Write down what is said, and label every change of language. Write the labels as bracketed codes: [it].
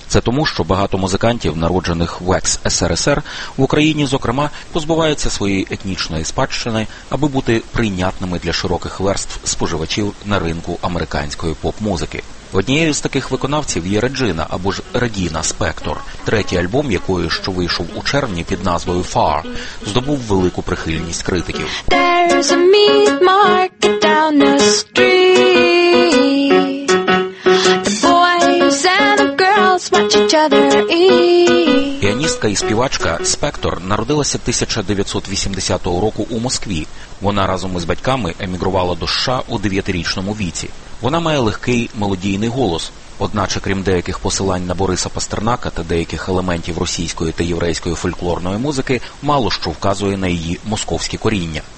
[uk] Це тому, що багато музикантів, народжених в екс-СРСР, в Україні, зокрема, позбуваються своєї етнічної спадщини, аби бути прийнятними для широких верств споживачів на ринку американської поп-музики. Однією з таких виконавців є Реджина, або ж Регіна Спектор. Третій альбом якої, що вийшов у червні під назвою Far, здобув велику прихильність критиків. [en] There's a meat market down the street. The boys and the girls watch each other eat. [uk] Піаністка і співачка Спектор народилася 1980 року у Москві. Вона разом із батьками емігрувала до США у 9-річному віці. Вона має легкий мелодійний голос, одначе, крім деяких посилань на Бориса Пастернака та деяких елементів російської та єврейської фольклорної музики, мало що вказує на її московські коріння.